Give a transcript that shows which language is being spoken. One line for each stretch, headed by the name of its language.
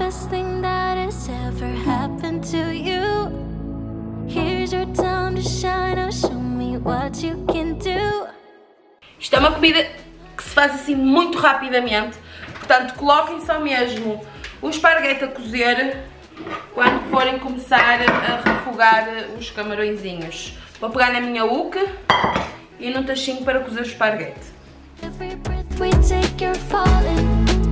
English: Thing that has ever happened to you. Here's your time to shine. Oh, show me what you can do.
Portuguese: Isto é uma comida que se faz assim muito rapidamente. Portanto, coloquem só mesmo o esparguete a cozer quando forem começar a refogar os camarõezinhos. Vou pegar na minha uca e num tachinho para cozer o esparguete.
English: Every breath we take, you're falling.